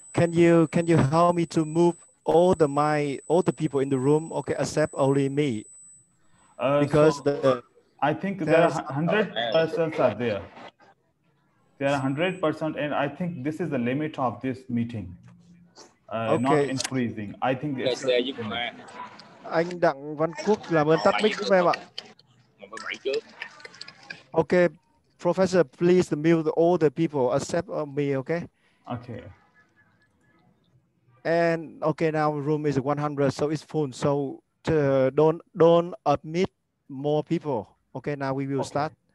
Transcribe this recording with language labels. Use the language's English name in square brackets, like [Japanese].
[English] Can you help me to move all the people in the room, okay, except only me? I think there are 100% are there. There are 100%, and I think this is the limit of this meeting. Not increasing. I think it's [Vietnamese] Anh Đặng Văn Quốc làm ơn tắt mic giúp em ạ. [English] Okay, professor, please mute all the people except me, okay? Okay. And okay, now room is 100, so it's full. So don't admit more people. Okay, now we will start.